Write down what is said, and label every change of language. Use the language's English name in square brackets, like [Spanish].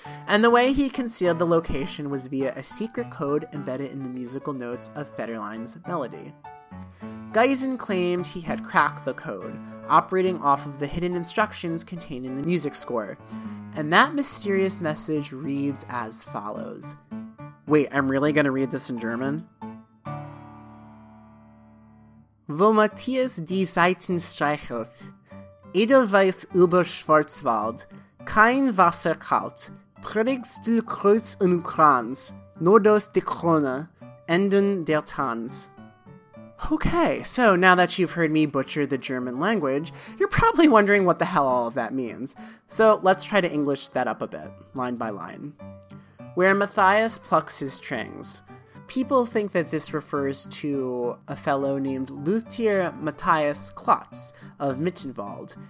[English] And the way he concealed the location was via a secret code embedded in the musical notes of Federline's melody. Geisen claimed he had cracked the code, operating off of the hidden instructions contained in the music score. And that mysterious message reads as follows. Wait, I'm really going to read this in German? [German] Wo Matthias die Seiten streichelt, Edelweiß über Schwarzwald, kein Wasser kalt, prägst du Kreuz und Kranz, nur durch die Krone, Enden der Tanz. [English] Okay, so now that you've heard me butcher the German language, you're probably wondering what the hell all of that means. So let's try to English that up a bit, line by line. Where Matthias plucks his strings. People think that this refers to a fellow named Luthier Matthias Klotz of Mittenwald.